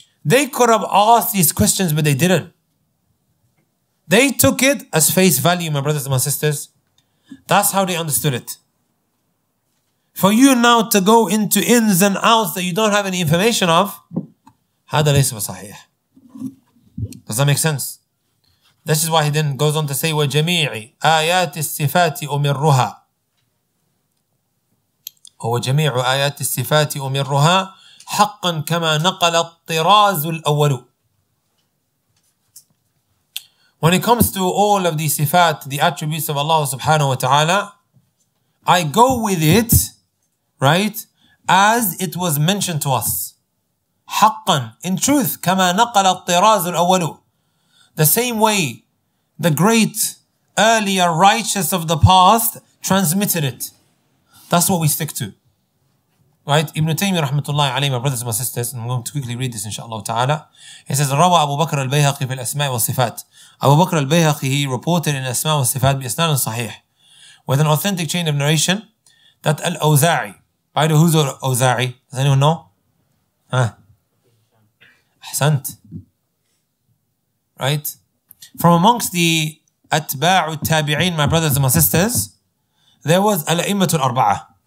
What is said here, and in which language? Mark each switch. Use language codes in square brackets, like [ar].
[en] They could have asked these questions, but they didn't. They took it as face value, my brothers and my sisters. That's how they understood it. For you now to go into ins and outs that you don't have any information of, [ar] هذا ليس بصحيح. [en] Does that make sense? This is why he then goes on to say, [ar] وَجَمِيعِ آيَاتِ الصِّفَاتِ أُمِرُّهَا وَجَمِيعُ آيَاتِ الصِّفَاتِ أُمِرُّهَا حَقًّا كَمَا نَقَلَ الطِّرَازُ الْأَوَّلُ. [en] When it comes to all of the sifat, the attributes of Allah subhanahu wa ta'ala, I go with it, right, as it was mentioned to us. [ar] حَقًّا, [en] in truth, [ar] كَمَا نَقَلَ الطِّرَازُ الْأَوَّلُ. [en] The same way the great earlier righteous of the past transmitted it. That's what we stick to. Right? Ibn Taymiyyah rahmatullahi alayhi, my brothers and my sisters, and I'm going to quickly read this inshaAllah ta'ala. He says, [ar] رَوَى أَبُو بَكْرَ الْبَيْهَقِ فِي الْأَسْمَاءِ وَالصِّفَاتِ. [en] Abu Bakr al-Bayhaqi, he reported in Asma' wa-Sifat bi Asnan al-Sahih with an authentic chain of narration that Al-Awza'i, by the who's Al-Awza'i? Does anyone know? Huh? Ahsant. Right? From amongst the Atba'u al-Tabi'een, my brothers and my sisters, there was Al-A'immatul Arba'ah.